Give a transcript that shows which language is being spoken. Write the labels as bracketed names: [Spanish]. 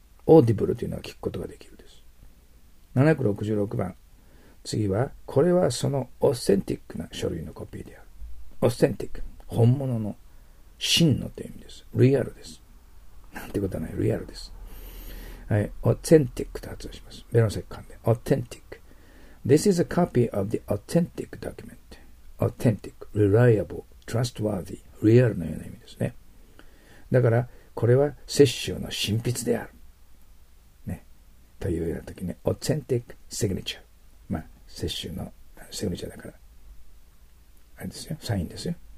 [Japanese] オーディブルというのは聞くことができるです。766番、次は、これはそのオーセンティックな書類のコピーである。オーセンティック、本物の、真のという意味です。リアルです。なんてことはない、リアルです。はい、オーセンティックと発音します。ベロン石管で、オーセンティック。 [English] This is a copy of the authentic document. [Japanese] Authentic, reliable, trustworthy, real のような意味ですね。だから、これは摂政の真筆である。ね。というような時に、authentic signature。まあ、摂政のシグニチャーだから、あれですよ、サインですよ。